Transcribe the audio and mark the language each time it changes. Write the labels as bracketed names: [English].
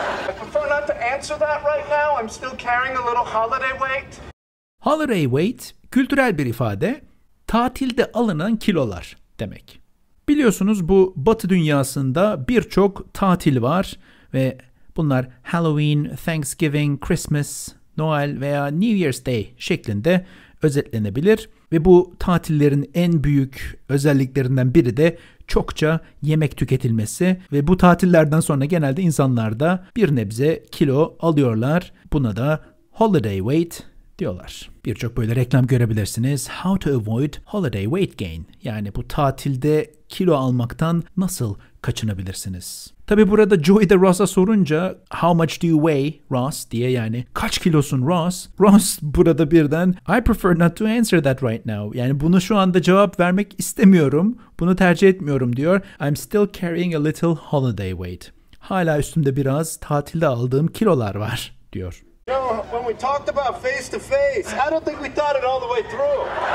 [English] I prefer not to answer that right now. I'm still carrying a little holiday weight. [Turkish] Holiday weight, kültürel bir ifade, tatilde alınan kilolar demek. Biliyorsunuz bu Batı dünyasında birçok tatil var ve bunlar Halloween, Thanksgiving, Christmas, Noel veya New Year's Day şeklinde özetlenebilir. Ve bu tatillerin en büyük özelliklerinden biri de çokça yemek tüketilmesi. Ve bu tatillerden sonra genelde insanlar da bir nebze kilo alıyorlar. Buna da holiday weight diyorlar. Birçok böyle reklam görebilirsiniz. [English] How to avoid holiday weight gain. [Turkish] Yani bu tatilde kilo almaktan nasıl kaçınabilirsiniz? Tabii burada Joey de Ross'a sorunca [English] how much do you weigh Ross [Turkish] diye, yani kaç kilosun Ross? Ross burada birden [English] I prefer not to answer that right now. [Turkish] Yani bunu şu anda cevap vermek istemiyorum. Bunu tercih etmiyorum diyor. [English] I'm still carrying a little holiday weight. [Turkish] Hala üstümde biraz tatilde aldığım kilolar var diyor. [English] When we talked about face to face, I don't think we thought it all the way through.